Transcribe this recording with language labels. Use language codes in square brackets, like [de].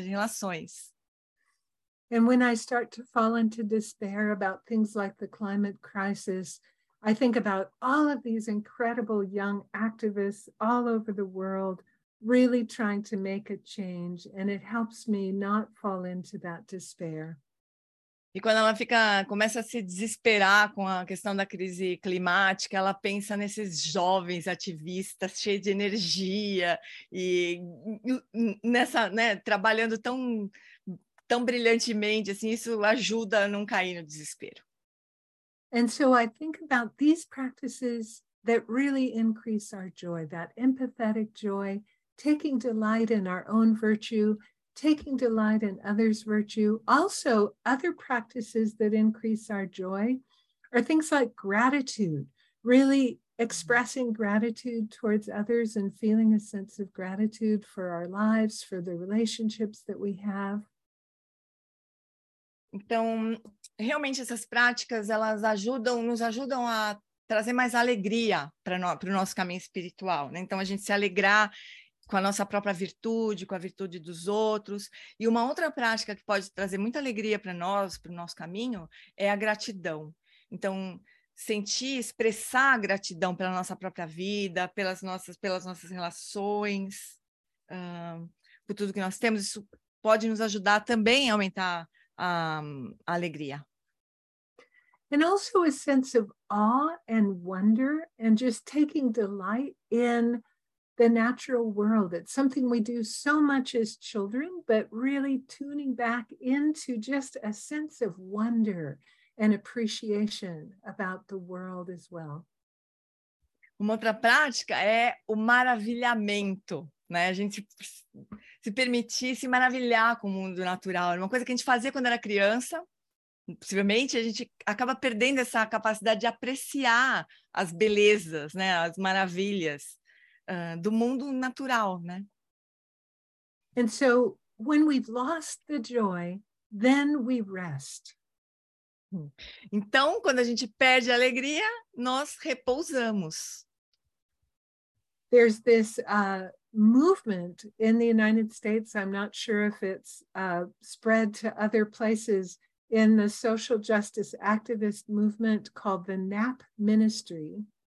[pt] De relações. [en] And when I start to fall into despair about things like the climate crisis, I think about all of these incredible young activists all over the world really trying to make a change, and it helps me not fall into that despair. [pt] E quando ela começa a se desesperar com a questão da crise climática, ela pensa nesses jovens ativistas cheios de energia e nessa, né, trabalhando tão brilhantemente, assim, isso ajuda a não cair no desespero. [en] And so I think about these practices that really increase our joy, that empathetic joy, taking delight in our own virtue, taking delight in others' virtue. Also, other practices that increase our joy are things like gratitude, really expressing gratitude towards others and feeling a sense of gratitude for our lives, for the relationships that we have. [pt] Então, realmente essas práticas, elas nos ajudam a trazer mais alegria para o nosso caminho espiritual, né? Então, a gente se alegrar com a nossa própria virtude, com a virtude dos outros. E uma outra prática que pode trazer muita alegria para nós, para o nosso caminho, é a gratidão. Então, sentir, expressar a gratidão pela nossa própria vida, pelas nossas relações, por tudo que nós temos, isso pode nos ajudar também a aumentar alegria. [en] And also a sense of awe and wonder and just taking delight in the natural world. It's something we do so much as children, but really tuning back into just a sense of wonder and appreciation about the world as well. [pt] Uma outra prática é o maravilhamento, né? A gente se permitir se maravilhar com o mundo natural. Era uma coisa que a gente fazia quando era criança. Possivelmente a gente acaba perdendo essa capacidade de apreciar as belezas, né? As maravilhas do mundo natural, né? [en] And so, when we've lost the joy, then we rest. [pt] Então, quando a gente perde a alegria, nós repousamos. [en] There's this movement in the United States, I'm not sure if it's spread to other places, in the social justice activist movement called the NAP Ministry.